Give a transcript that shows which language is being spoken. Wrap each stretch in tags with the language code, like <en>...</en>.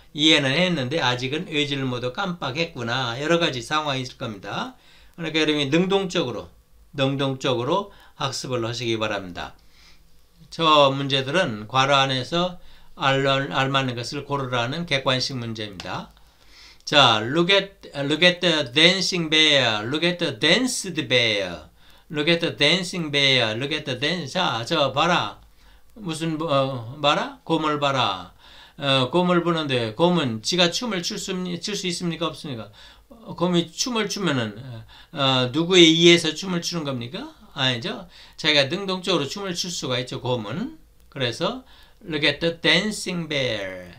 <ko>이해는 했는데 아직은 의지를 모두 깜빡했구나. 여러 가지 상황이 있을 겁니다. 그러니까 여러분이 능동적으로 학습을 하시기 바랍니다. 저 문제들은 괄호 안에서 알맞는 것을 고르라는 객관식 문제입니다. 자,</ko> <en>look at the dancing bear, look at the danced bear, look at the dancing bear, look at the dance.</en> <ko>자, 저 봐라. 무슨, 봐라? 곰을 봐라. 곰을 보는데, 곰은 지가 춤을 출수 있습니까? 없습니까? 곰이 춤을 추면은, 누구에 의해서 춤을 추는 겁니까? 아니죠. 자기가 능동적으로 춤을 출 수가 있죠, 곰은. 그래서,</ko> <en>look at the dancing bear.</en>